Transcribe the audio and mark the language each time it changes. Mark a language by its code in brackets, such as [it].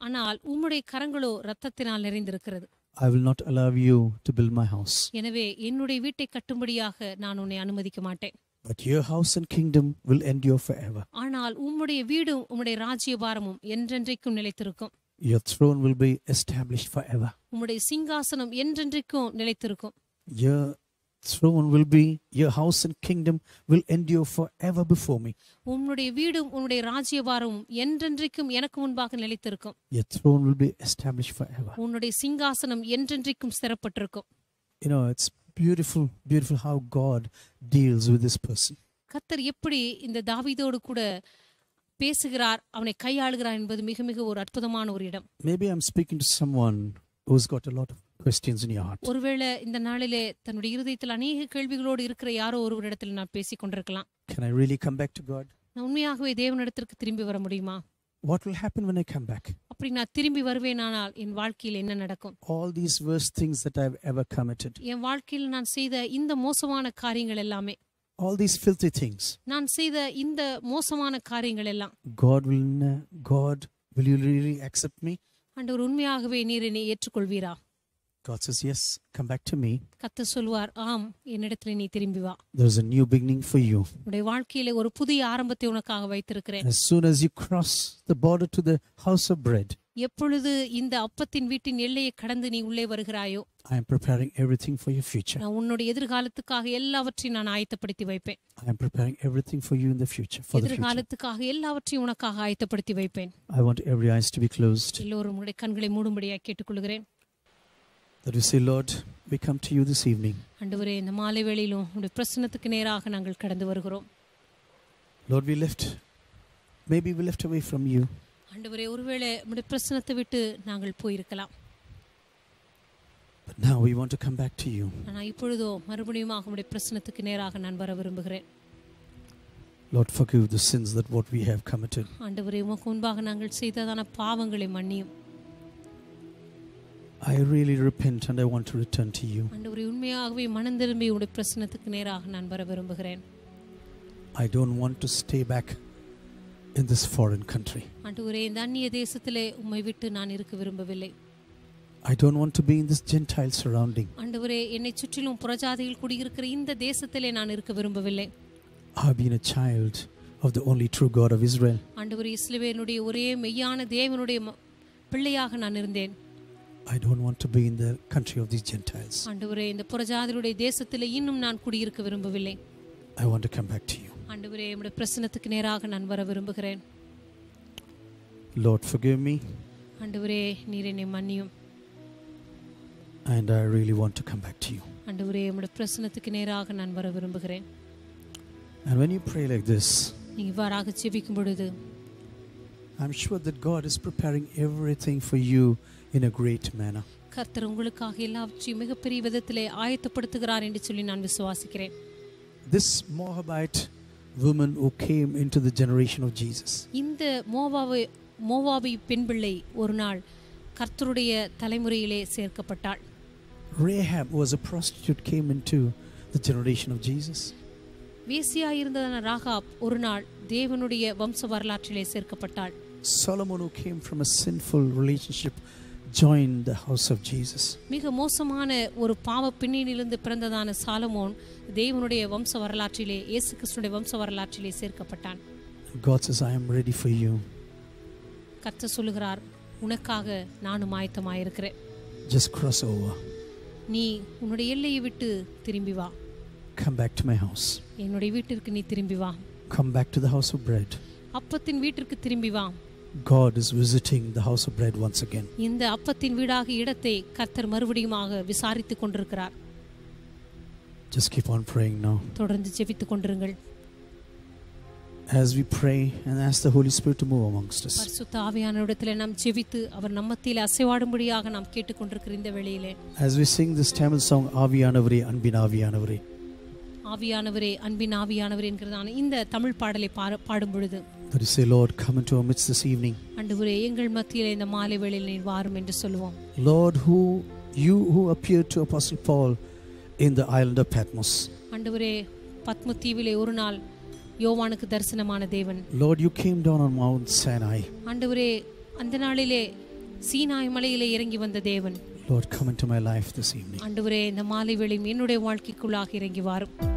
[ta] ஆனால் உம்முடைய கரங்களோ இரத்தத்தினால் நிறைந்திருக்கிறது. [en] I will not allow you to build my house. [ta] எனவே என்னுடைய வீட்டை கட்டும்படியாக நான் உன்னை அனுமதிக்க மாட்டேன். [en] But your house and kingdom will endure forever. [ta] ஆனால் உம்முடைய வீடும் உம்முடைய ராஜ்யபாரமும் என்றென்றைக்கும் நிலைத்திருக்கும். [en] Your throne will be established forever. [ta] உம்முடைய சிங்காசனம் என்றென்றைக்கும் நிலைத்திருக்கும். [en] Your house and kingdom will endure forever before me. [ta] உம்முடைய வீடும் உம்முடைய ராஜ்யபாரமும் என்றென்றைக்கும் எனக்கு முன்பாக நிலைத்திருக்கும். [en] Your throne will be established forever. [ta] உம்முடைய சிங்காசனம் என்றென்றைக்கும் ஸ்திரப்பட்டிருக்கும். [en] You know, it's beautiful, beautiful how God deals with this person. [ta] கர்த்தர் எப்படி இந்த தாவீதோடு கூட பேசுகிறார், அவனை கையாளுகிறார் என்பது மிக மிக ஒரு அற்புதமான ஒரு இடம். [en] Maybe I'm speaking to someone who's got a lot of questions in your heart. [ta] ஒருவேளை இந்த நாளிலே தன்னுடைய இருதயத்தில் அநேக கேள்விகளோடு இருக்கிற யாரோ ஒருவரிடத்தில் நான் பேசிக் கொண்டிருக்கலாம். [en] Can I really come back to God? [ta] நான் உண்மையாகவே தேவனிடத்திற்கு திரும்பி வர முடியுமா? [en] What will happen when I come back? [ta] அப்படி நான் திரும்பி வருவேனானால் என் வாழ்க்கையில் என்ன நடக்கும்? [en] All these worst things that I've ever committed. [ta] என் வாழ்க்கையில் நான் செய்த இந்த மோசமான காரியங்கள் எல்லாமே. [en] All these filthy things. [ta] நான் செய்த இந்த மோசமான காரியங்கள் எல்லாம். [en] God will you really accept me? [ta] ஆண்டவர் உண்மையாகவே நீர் என்னை ஏற்றுக்கொள்வீரா? [en] God says yes, come back to me. [ta] கர்த்தர் சொல்வார், ஆம், என்னிடத்தில் நீ திரும்பி வா. [en] There is a new beginning for you. [ta] உன்னுடைய வாழ்க்கையில் ஒரு புதிய ஆரம்பத்தை உனக்காக வைத்திருக்கிறேன். [en] As soon as you cross the border to the house of bread. [ta] எப்பொழுது இந்த அப்பத்தின் வீட்டின் எல்லையை கடந்து நீ உள்ளே வருகிறாயோ. [en] I am preparing everything for your future. [ta] நான் உன்னுடைய எதிர்காலத்துக்காக எல்லாவற்றையும் நான் ஆயத்தப்படுத்தி வைப்பேன். [en] I am preparing everything for you in the future. For [ta] எதிர்காலத்துக்காக எல்லாவற்றையும் உனக்காக ஆயத்தப்படுத்தி வைப்பேன். [en] I want every eyes to be closed. [ta] எல்லோரும் உங்களுடைய கண்களை மூடும்படியாக கேட்டுக்கொள்கிறேன். [en] That you say, Lord, we come to you this evening. [ta] ஆண்டவரே, இந்த மாலை வேளையிலும் உம்முடைய பிரசன்னத்துக்கு நேராக நாங்கள் கடந்து வருகிறோம். [en] Lord, maybe we left away from you. [ta] ஆண்டவரே, ஒருவேளை உம்முடைய பிரசன்னத்தை விட்டு நாங்கள் போயிருக்கலாம். [en] But now we want to come back to you. [ta] நான் இப்பொழுதோ மறுபடியும் உம்முடைய பிரசன்னத்துக்கு நேராக நான் வர விரும்புகிறேன். [en] Lord, forgive the sins that what we have committed. [ta] ஆண்டவரே, உமக்கு முன்பாக நாங்கள் செய்ததான பாவங்களை மன்னியும். [en] I really repent and I want to return to you. [ta] ஆண்டவரே, உண்மையாகவே மனம் திரும்பி உம்முடைய பிரசன்னத்துக்கு நேராக நான் வர விரும்புகிறேன். [en] I don't want to stay back in this foreign country. [ta] ஆண்டவரே, இந்த அந்நிய தேசத்திலே உம்மை விட்டு நான் இருக்க விரும்பவில்லை. [en] I don't want to be in this Gentile surrounding. [ta] ஆண்டவரே, என்னை சுற்றிலும் புறஜாதிகள் குடியிருக்கிற இந்த தேசத்திலே நான் இருக்க விரும்பவில்லை. [en] I've been a child of the only true God of Israel. [ta] ஆண்டவரே, இஸ்ரவேலினுடைய ஒரே மெய்யான தேவனுடைய பிள்ளையாக நான் இருந்தேன். [en] I don't want to be in the country of these Gentiles. [ta] ஆண்டவரே, இந்த புறஜாதிகளுடைய தேசத்திலே இன்னும் நான் குடியிருக்க விரும்பவில்லை. [en] I want to come back to you. [ta] ஆண்டவரே, என்னுடைய பிரசன்னத்துக்கு நேராக நான் வர விரும்புகிறேன். [en] Lord, forgive me. [ta] ஆண்டவரே, நீர் என்னை மன்னியும். [en] And I really want to come back to you. [ta] ஆண்டவரே, என்னுடைய பிரசன்னத்துக்கு நேராக நான் வர விரும்புகிறேன். [en] And when you pray like this, [ta] நீ இவ்வாறாக ஜெபிக்கும் பொழுது, [en] I'm sure that God is preparing everything for you. In a great manner. [ta] கர்த்தர் உங்களுக்காக எல்லாவற்றையும் மிகப்பெரிய விதத்திலே ஆயத்தப்படுத்துகிறார் என்று சொல்லி நான் விசுவாசிக்கிறேன். [en] This Moabite woman who came into the generation of Jesus. [ta] இந்த மோவாபி பெண் பிள்ளை ஒரு நாள் கர்த்தருடைய தலைமுறையிலே சேர்க்கப்பட்டாள். [en] Rahab was a prostitute came into the generation of Jesus. [ta] வேசியாயிருந்ததான Rahab ஒரு நாள் தேவனுடைய வம்ச வரலாற்றிலே சேர்க்கப்பட்டாள். [en] Solomon who came from a sinful relationship joined the house of Jesus. [ta] மிகவும் மோசமான ஒரு பாவ பின்னணியிலிருந்து பிறந்ததான சாலமோன் தேவனுடைய வம்ச வரலாற்றிலே இயேசு கிறிஸ்துவின் வம்ச வரலாற்றிலே சேர்க்கப்பட்டான். [en] God says I am ready for you. [ta] கர்த்தர் சொல்கிறார், உனக்காக நானும் ஆயத்தமாயிருக்கிறேன். [en] Just cross over. [ta] நீ உன்னுடைய எல்லையை விட்டு திரும்பி வா. [en] Come back to my house. [ta] என்னுடைய வீட்டிற்கு நீ திரும்பி வா. [en] Come back to the house of bread. [ta] அப்பத்தின் வீட்டிற்கு திரும்பி வா. [en] God is visiting the house of bread once again. [ta] இந்த அப்பத்தின் வீடாக இடத்தை கர்த்தர் மறுபடியும்மாக விசாரித்துக் கொண்டிருக்கிறார். [en] Just keep on praying now. [ta] தொடர்ந்து ஜெபித்துக் கொண்டிருங்கள். [en] As we pray and ask the Holy Spirit to move amongst us. [ta] பரிசுத்த ஆவியானவரிடத்திலே நாம் ஜெபித்து அவர் நம்மத்திலே அசைவாடும்படியாக நாம் கேட்டுக்கொண்டிருக்கிற இந்த வேளையிலே. [en] As we sing this Tamil song, [ta] ஆவியானவரே அன்பின் ஆவியானவரே. ஆவியானவரே அன்பின் ஆவியானவரே என்கிறதான இந்த தமிழ் பாடலை பாடும் பொழுது [en] But you say, Lord, come into our midst this evening. [ta] ஆண்டவரே எங்கள் மத்தியிலே இந்த மாலை வேளையில் நீர் வாரும் என்று சொல்வோம். [en] Lord, who appeared to Apostle Paul in the island of Patmos. [ta] ஆண்டவரே பத்மத்தீவிலே ஒரு நாள் யோவானுக்கு தரிசனமான தேவன். [en] Lord, you came down on Mount Sinai. [ta] ஆண்டவரே அந்த நாளிலே சீனாய் மலையிலே இறங்கி வந்த தேவன். [en] Lord, come into my life this evening. [ta] ஆண்டவரே இந்த மாலை வேளையில் என்னுடைய வாழ்க்கைக்குள்ளாக இறங்கி வாரும்.